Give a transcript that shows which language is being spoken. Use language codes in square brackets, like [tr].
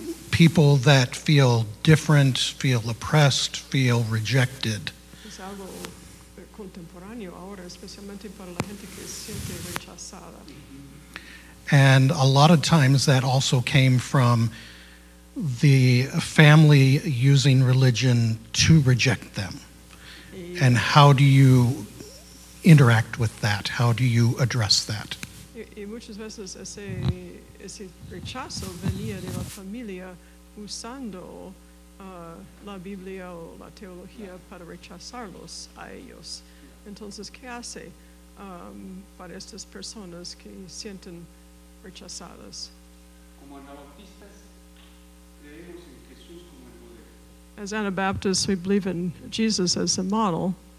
[en] people that feel different, feel oppressed, feel rejected. [es] Es algo contemporáneo ahora, especialmente para la gente que siente rechazada. [en] And a lot of times that also came from the family using religion to reject them. And how do you interact with that? How do you address that? [es] Y muchas veces ese rechazo venía de la familia usando la Biblia o la teología para rechazarlos a ellos. Entonces, ¿qué hace para estas personas que sienten rechazadas? Como anabautistas, creemos en Jesús como el [en] As Anabaptists, we believe in Jesus as the model.